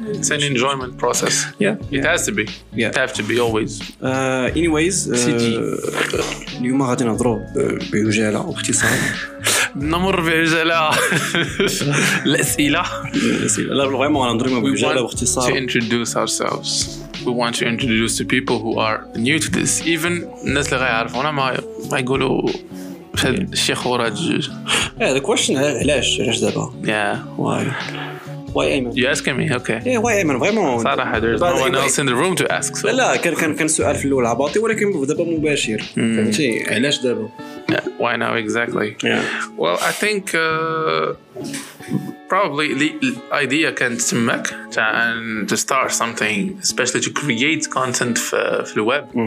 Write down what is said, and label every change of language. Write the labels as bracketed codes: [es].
[en] It's an enjoyment process. Yeah, has to be. Yeah, it has to be always. Anyways, [ar] اليوم غادي نهضروا بعجالة واختصار. نمر بعجالة الأسئلة. لا بالعموم أنا ندري ما بعجالة واختصار. [en] We want to introduce ourselves. We want to introduce the people who are new to this. Even [ar] الناس اللي غيعرفونا ما يقولوا. الشيخ وراج جوج. [en] Yeah, the question is, [ar] علاش دابا؟ [en] Yeah. Why Ayman? You asking me? Okay. Yeah, why Ayman? Vraiment. صراحة, there's no one else in the room to ask. So. [ar] لا, كان سؤال في الأول عباطي ولكن دابا مباشر. فهمتي؟ علاش دابا؟ [en] Yeah, why now exactly? Yeah. Well, I think probably the idea can smack and to start something, especially to create content for the web.